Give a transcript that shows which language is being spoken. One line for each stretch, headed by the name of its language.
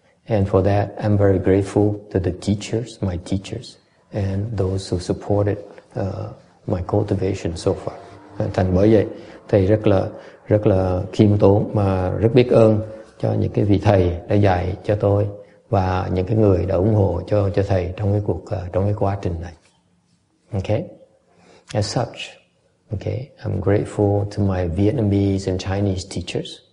English: And for that, I'm very grateful to the teachers, my teachers, and those who supported my cultivation so far.
Vietnamese: Thành bởi vậy, thầy rất là khiêm tốn mà rất biết ơn cho những cái vị thầy đã dạy cho tôi và những cái người đã ủng hộ cho thầy trong cái quá trình này. Okay.
English: As such, okay, I'm grateful to my Vietnamese and Chinese teachers.